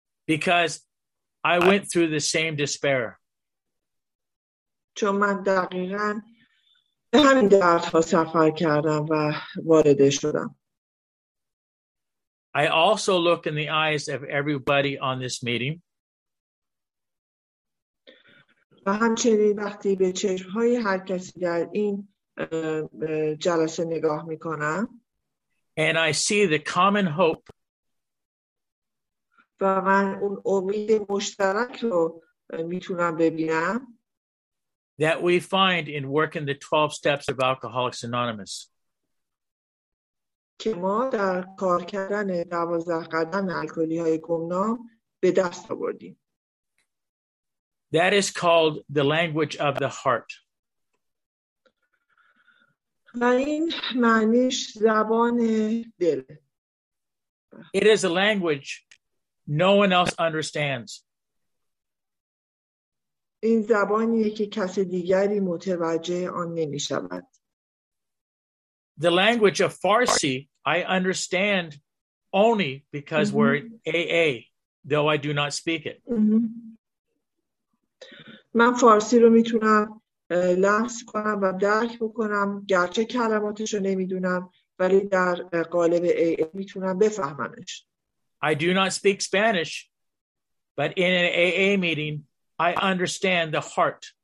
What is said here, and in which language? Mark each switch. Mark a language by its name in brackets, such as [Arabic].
[English] Because I went through the same despair. [Persian] چون من دقیقاً به همین دردها سفر کردم و وارد شدم. [English] I also look in the eyes of everybody on this meeting. [Persian] و همچنین وقتی به چشم‌های هر کسی در این جلسه نگاه می‌کنم. [English] And I see the common hope. [Persian] و من اون امید مشترک رو می‌تونم ببینم. [English] That we find in working the 12 steps of Alcoholics Anonymous. [Persian] که ما در کار کردن 12 قدم الکلی‌های گمنام به دست آوردیم. [English] That is called the language of the heart. [Persian] و این معنیش زبان دل. [English] It is a language no one else understands. [Persian] این زبانیه که کس دیگری متوجه آن نمی‌شود. [English] The language of Farsi I understand only because we're AA, though I do not speak it. [Persian] من فارسی رو میتونم لحس کنم و درک بکنم گرچه کلماتش رو نمیدونم ولی در قالب AA میتونم بفهممش. [English] I do not speak Spanish, but in an AA meeting I understand the heart.